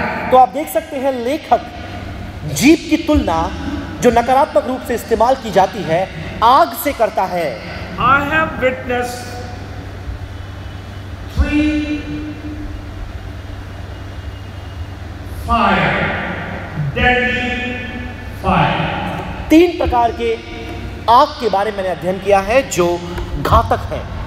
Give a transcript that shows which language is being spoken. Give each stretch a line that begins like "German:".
Hindi: तो आप देख सकते हैं लेखक जीप की तुलना जो नकारात्मक रूप से इस्तेमाल की जाती है आग से करता है।
English: I have witnessed three fire, deadly fire.
Hindi: तीन प्रकार के आग के बारे में मैंने अध्ययन किया है जो घातक है।